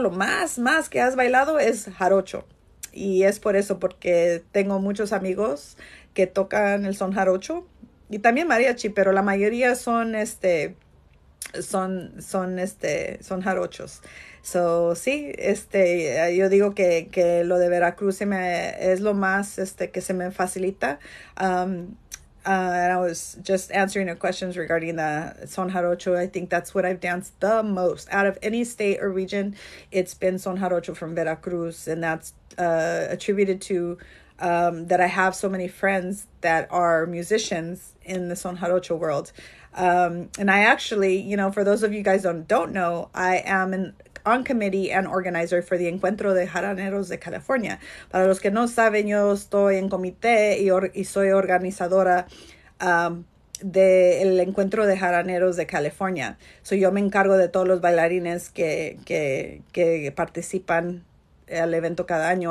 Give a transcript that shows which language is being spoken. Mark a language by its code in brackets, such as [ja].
[es] Lo más que has bailado es jarocho. Y es por eso, porque tengo muchos amigos que tocan el son jarocho y también mariachi, pero la mayoría son jarochos. So, sí, yo digo que lo de Veracruz es lo más que se me facilita. [en] And I was just answering your questions regarding the Son Jarocho. I think that's what I've danced the most. Out of any state or region, it's been Son Jarocho from Veracruz. And that's attributed to that I have so many friends that are musicians in the Son Jarocho world. And I actually, for those of you guys don't know, I am an on committee and organizer for the Encuentro de Jaraneros de California. [es] Para los que no saben, yo estoy en comité y soy organizadora del Encuentro de Jaraneros de California. So yo me encargo de todos los bailarines que participan al evento cada año.